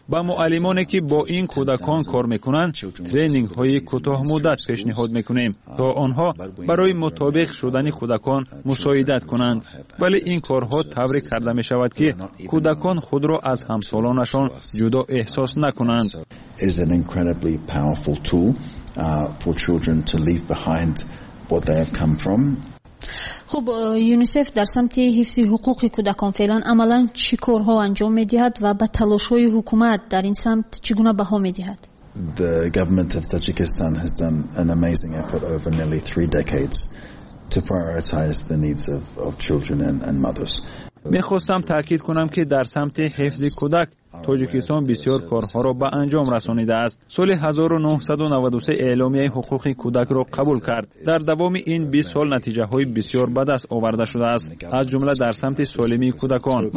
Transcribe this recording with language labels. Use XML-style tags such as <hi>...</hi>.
<fa>با معلمانی که با این کودکان کار میکنند ترینینگ های کوتاه مدت پیشنهاد میکنیم تا آنها برای مطابق شدن کودکان مساعدت کنند. ولی این کارها طوری کرده میشود که کودکان خود را از همسالانشان جدا احساس نکنند.</fa> <en>is an incredibly powerful tool for children to leave behind what they have come from.</en> <fa>خب یونیسف در سمت حفظ حقوق کودکان فعلا عملا چی کارها انجام می دهد و به تلاش های حکومت در این سمت چگونه بها می دهد؟</fa> <en>The government of Tajikistan has done an amazing effort over nearly 3 decades to prioritize the needs of children and mothers.</en> <fa>می خواستم تاکید کنم که در سمت حفظ کودک تاجیکستان بسیار کارها را به انجام رسانیده است. سال 1993 اعلامیه حقوق کودک را قبول کرد. در دوام این 20 سال نتیجه های بسیار بد است آورده شده است، از جمله در سمت سالمی کودکان.</fa>